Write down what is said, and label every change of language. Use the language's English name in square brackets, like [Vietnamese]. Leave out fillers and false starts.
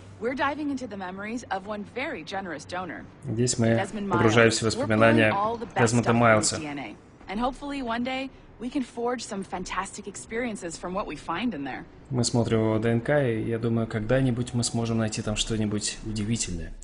[English] We're diving into the memories of one very generous donor. [Russian] Здесь мы погружаемся в воспоминания Дезмонда Майлса. [English] And hopefully one day we can forge some fantastic experiences from what we find in there. [Russian] Мы смотрим его ДНК, и я думаю, когда-нибудь мы сможем найти там что-нибудь удивительное.